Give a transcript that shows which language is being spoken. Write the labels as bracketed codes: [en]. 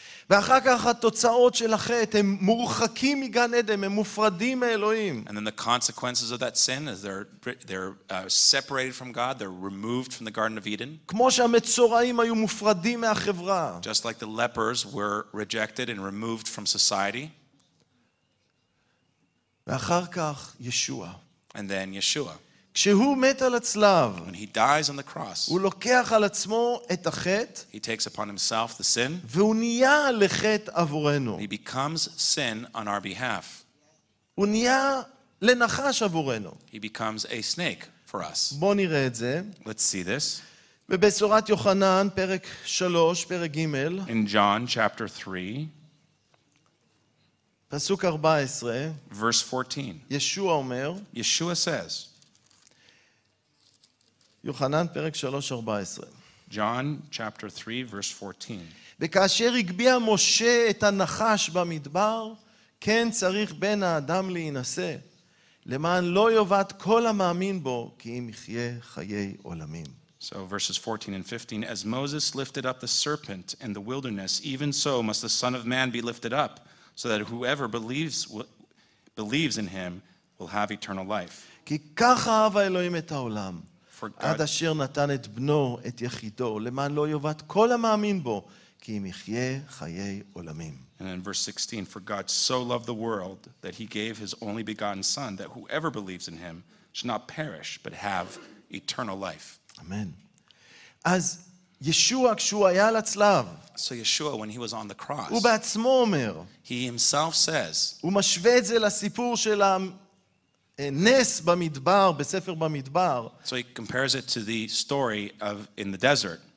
[he] ואחר כך התוצאות של החטא, הם מורחקים מגן עדן, הם מופרדים מאלוהים. [en] And then the consequences of that sin is they're separated from God, they're removed from the Garden of Eden. [he] כמו שהמצורעים היו מופרדים מהחברה. [en] Just like the lepers were rejected and removed from society. [he] ואחר כך ישוע. [en] And then Yeshua. [he] כשהוא מת על הצלב. [en] When he dies on the cross. [he] הוא לוקח על עצמו את החטא. [en] He takes upon himself the sin. [he] והוא נהיה לחטא עבורנו. [en] He becomes sin on our behalf. [he] הוא נהיה לנחש עבורנו. [en] He becomes a snake for us. [he] בוא נראה את זה. [en] Let's see this. [he] בבשורת יוחנן פרק 3 פרק ג' [en] In John chapter 3. [he] פסוק 14. [en] Verse 14. [he] ישוע אומר. [en] Yeshua says. [he] יוחנן פרק 3:14. [en] John chapter 3 verse 14. [he] וכאשר הגביע משה את הנחש במדבר, כן צריך בן האדם להינשא, למען לא יובד כל המאמין בו, כי אם יחיה חיי עולמים. [en] So verses 14 and 15, as Moses lifted up the serpent in the wilderness, even so must the Son of Man be lifted up, so that whoever believes in him will have eternal life. [he] כי כך אהב האלוהים את העולם. עד אשר נתן את בנו את יחידו למען לא יובד כל המאמין בו כי אם יחיה חיי עולמים. [en] And in verse 16, for God so loved the world that he gave his only begotten son that whoever believes in him should not perish but have eternal life. Amen. [he] אז ישוע כשהוא היה על הצלב. [en] So Yeshua when he was on the cross. [he] הוא בעצמו אומר. [en] He himself says. [he] הוא משווה את זה לסיפור של נס במדבר בספר במדבר. [en] So he compares it to the story of in the desert.